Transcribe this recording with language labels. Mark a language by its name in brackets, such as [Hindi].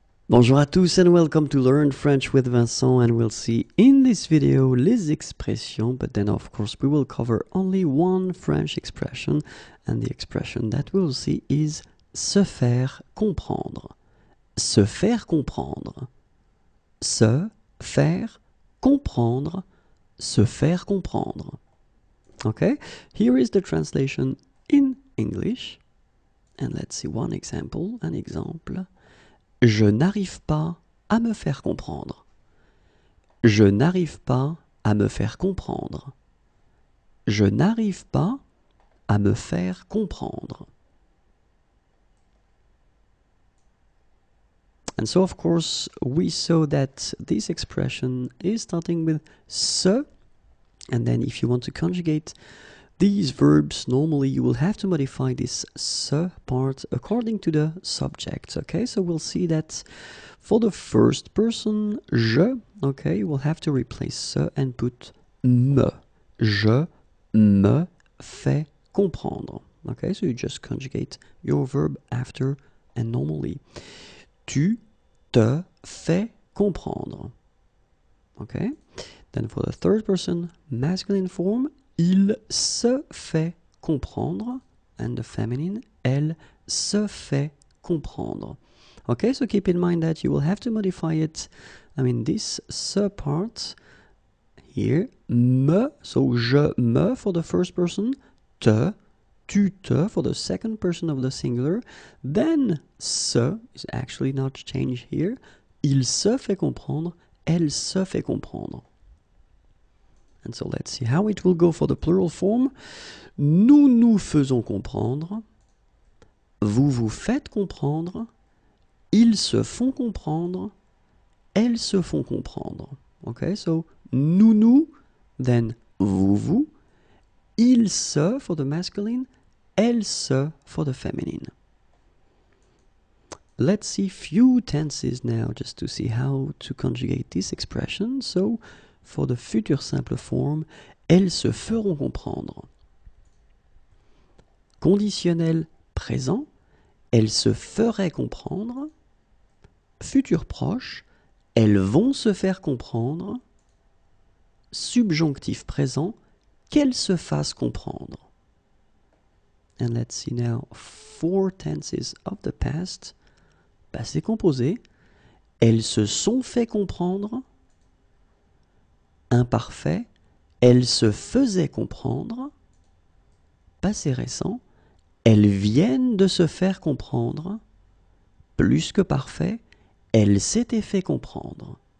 [French] Bonjour à tous [English] and welcome to Learn French with Vincent, and we'll see in this video [French] les expressions, [English] but then of course we will cover only one French expression, and the expression that we'll see is [French] se faire comprendre. Se faire comprendre. Se faire comprendre. Se faire comprendre. [English] Okay, here is the translation in English, and let's see one example, an example. [French] Je n'arrive pas à me faire comprendre. Je n'arrive pas à me faire comprendre. Je n'arrive pas à me faire comprendre. [English] And so, of course, we saw that this expression is starting with se. And then if you want to conjugate these verbs, normally you will have to modify this se part according to the subject, okay? So we'll see that for the first person, je, okay, you will have to replace se and put me. [French] Je me fais comprendre, okay? [English] So you just conjugate your verb after and normally. [French] Tu te fais comprendre, okay? [English] Then for the third person, masculine form, [French] il se fait comprendre, [English] and the feminine, [French] elle se fait comprendre. [English] Okay, so keep in mind that you will have to modify it. I mean, this se part here, me, so [French] je me [English] for the first person, te, [French] tu te [English] for the second person of the singular, then se is actually not changed here, [French] il se fait comprendre, elle se fait comprendre. [English] And so let's see how it will go for the plural form. [French] Nous nous faisons comprendre. Vous vous faites comprendre. Ils se font comprendre. Elles se font comprendre. Okay, so nous nous, [English] then [French] vous vous. [English] Ils se for the masculine. Elles se for the feminine. Let's see few tenses now just to see how to conjugate this expression. So, for the future simple form, [French] elles se feront comprendre. Conditionnel présent, elles se feraient comprendre. Futur proche, elles vont se faire comprendre. Subjonctif présent, qu'elles se fassent comprendre. [English] And let's see now four tenses of the past. [French] Passé composé, elles se sont fait comprendre. Imparfait, elle se faisait comprendre. Passé récent, elles viennent de se faire comprendre. Plus que parfait, elle s'était fait comprendre.